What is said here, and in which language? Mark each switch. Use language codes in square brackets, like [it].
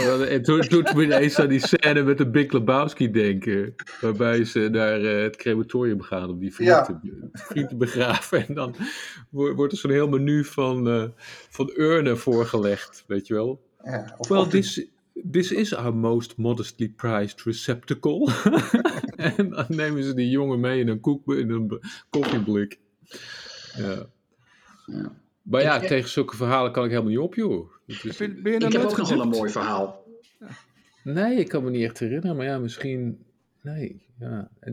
[nl] Het doet me ineens aan die scène met de Big Lebowski denken, waarbij ze naar het crematorium gaan om die vriend te begraven. En dan wordt er zo'n heel menu van urnen voorgelegd, weet je wel. Ja, [en] well, this is our most modestly priced receptacle. [nl] En dan nemen ze die jongen mee in een koffieblik. Ja. Maar ja, tegen zulke verhalen kan ik helemaal niet op, joh. Ik heb nog wel een mooi verhaal. Ja. Nee, ik kan me niet echt herinneren, maar ja, misschien. Nee, ja.